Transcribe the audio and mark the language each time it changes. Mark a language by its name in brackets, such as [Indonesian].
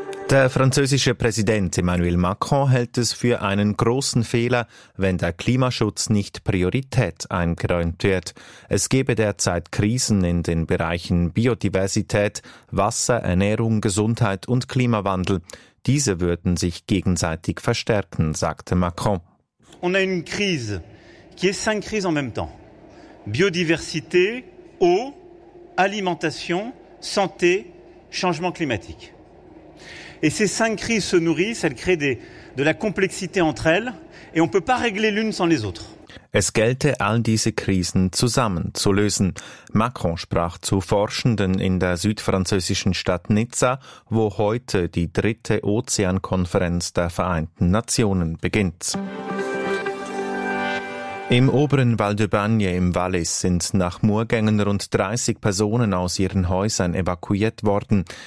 [German] Der französische Präsident Emmanuel Macron hält es für einen großen Fehler, wenn der Klimaschutz nicht Priorität eingeräumt wird. Es gebe derzeit Krisen in den Bereichen Biodiversität, Wasser, Ernährung, Gesundheit und Klimawandel. Diese würden sich gegenseitig verstärken, sagte Macron. [French] On a une crise qui est cinq crises en même temps. Biodiversité, Eau, Alimentation, Santé, Changement climatique. Et ces cinq crises se nourrissent, elles créent de la complexité entre elles, et on ne peut pas régler l'une sans les autres. [German] Es gelte, all diese Krisen zusammen zu lösen. Macron sprach zu Forschenden in der südfranzösischen Stadt Nizza, wo heute die dritte Ozeankonferenz der Vereinten Nationen beginnt. Im oberen Val de Bagne im Wallis sind nach Murgängen rund 30 Personen aus ihren Häusern evakuiert worden.